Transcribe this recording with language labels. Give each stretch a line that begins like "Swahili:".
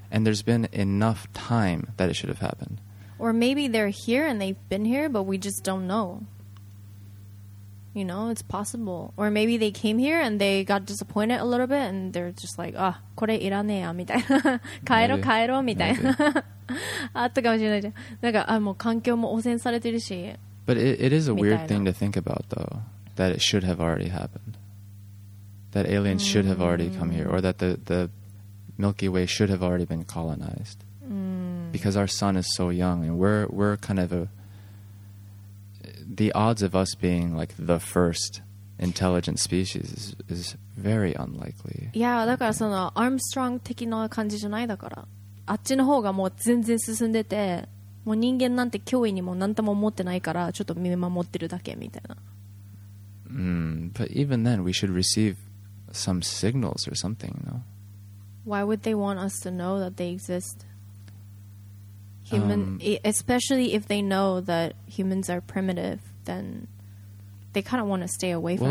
English: And there's been enough time that it should have happened. Or maybe they're here and they've been here, but we just don't know. You know, it's possible. Or maybe they came here and they got disappointed a little bit and they're just like, ah,
Japanese: これいらねえやみたいな。帰ろ帰ろみたいな。あったかもしれないじゃん。なんか、あ、もう環境も汚染されてるし。
English: But it is a weird thing to think about, though, that it should have already happened. That aliens mm-hmm. should have already come here, or that the Milky Way should have already been colonized because our sun is so young, and we're kind of the odds of us being like the first intelligent species is very unlikely.
Japanese: Yeah, だからそのアームストロング的な感じじゃないだから、あっちの方がもう全然進んでて、もう人間なんて脅威にも何とも思ってないから、ちょっと見守ってるだけみたいな。
English: But even then, we should receive some signals or something, no? Why would they want us to know that they exist? Human, especially if they know that humans are primitive, then they kind of want to stay away from